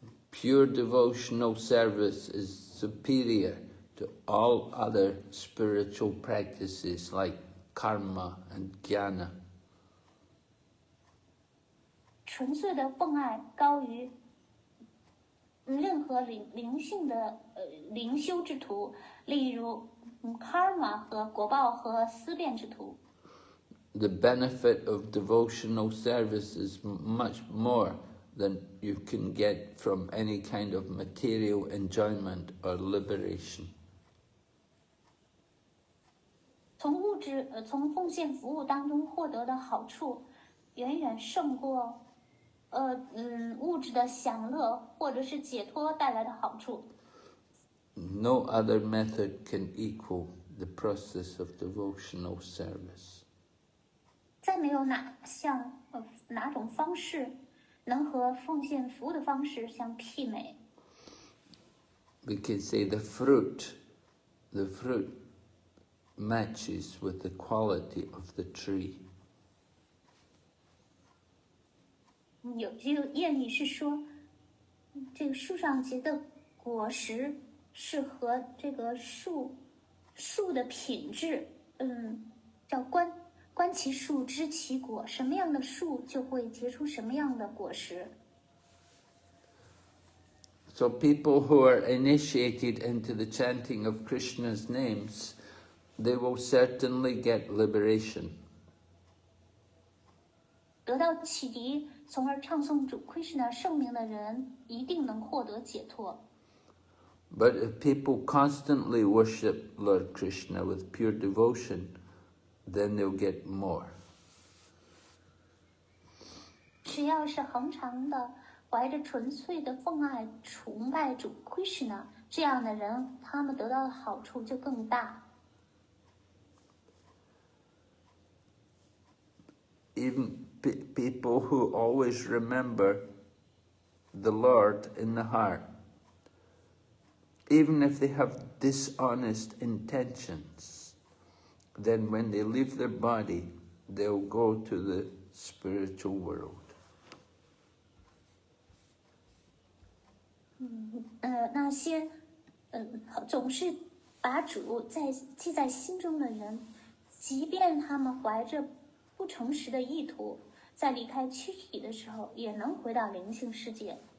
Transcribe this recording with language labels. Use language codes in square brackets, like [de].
[en] Pure devotional service is superior to all other spiritual practices like karma and jnana. [zh] 纯粹的奉爱高于任何灵性的灵修之途，例如karma 和果报和思辨之途。 [en] The benefit of devotional service is much more than you can get from any kind of material enjoyment or liberation. [zh] 从物质从奉献服务当中获得的好处远远胜过物质的享乐或者是解脱带来的好处。 [en] No other method can equal the process of devotional service. [zh] 再没有哪种方式能和奉献服务的方式相媲美。 [en] We can say the fruit matches with the quality of the tree. [zh] 有句谚语是说，这个树上结的果实是和这个树的品质，叫观其树，知其果。什么样的树就会结出什么样的果实。 [en] So people who are initiated into the chanting of Krishna's names, they will certainly get liberation. [zh] 得到启迪，从而唱诵主 Krishna 圣名的人，一定能获得解脱。 [en] But if people constantly worship Lord Krishna with pure devotion, then they'll get more. [zh] 只要是恒常的怀着纯粹的奉爱崇拜主 Krishna, 这样的人他们得到的好处就更大。 [en] Even people who always remember the Lord in the heart, even if they have dishonest intentions, then when they leave their body, they'll go to the spiritual world. [zh] 那些总是把主在记在心中的人，即便他们怀着不诚实的意图，在离开躯体的时候，也能回到灵性世界。